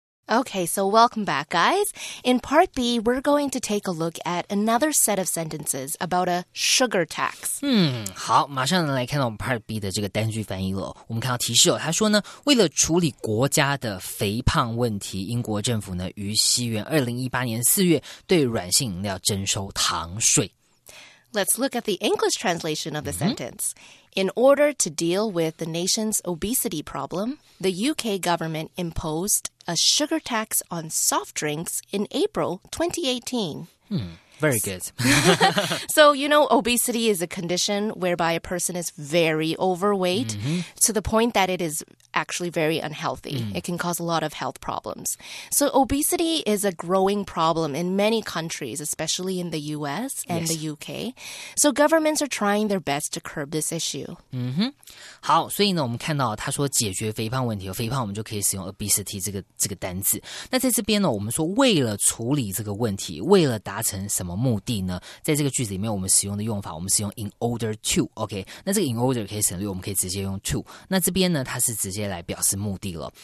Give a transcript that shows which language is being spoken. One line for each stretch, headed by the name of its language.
English: Okay, so welcome back, guys. In part B, we're going to take a look at another set of sentences about a sugar tax.
Chinese: 好，马上来看到我们 part B 的这个单句翻译了。我们看到提示哦，他说呢，为了处理国家的肥胖问题，英国政府呢于西元2018年4月对软性饮料征收糖税。
English: Let's look at the English translation of the sentence. In order to deal with the nation's obesity problem, the UK government imposed a sugar tax on soft drinks in April 2018. Very good. So, you know, obesity is a condition whereby a person is very overweight to the point that it is actually very unhealthy. It can cause a lot of health problems. So obesity is a growing problem in many countries, especially in the US and the UK. So governments are trying their best to curb this issue.
Chinese: 好，所以呢我们看到他说解决肥胖问题，肥胖我们就可以使用 obesity 这个单字。那在这边呢我们说为了处理这个问题，为了达成什么么目的呢？在这个句子里面我们使用的用法，我们使用 in order to， OK， 那这个 in order 可以省略，我们可以直接用 to， 那这边呢它是直接来表示目的了。